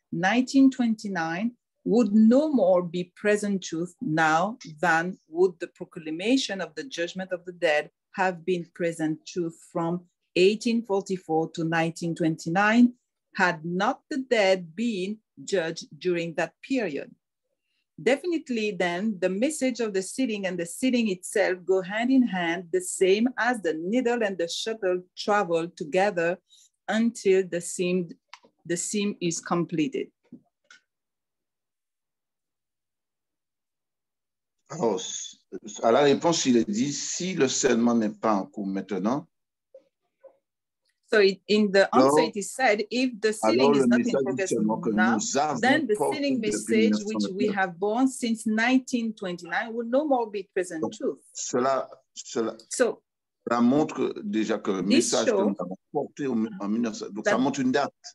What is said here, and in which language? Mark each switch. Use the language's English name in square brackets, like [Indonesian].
[English] 1929 would no more be present truth now than would the proclamation of the judgment of the dead have been present truth from 1844 to 1929 had not the dead been judged during that period. Definitely then, the message of the sitting and the sitting itself go hand in hand, the same as the needle and the shuttle travel together until the seam is completed. [French] Alors, à la réponse, il est dit, si le scellement n'est pas en cours maintenant. [English] So in the answer, it is said, if the sealing is not in progress now, then the sealing message which we have borne since 1929 will no more be present truth. [French] Cela montre déjà que le message que nous avons porté en 1929, donc ça montre une date.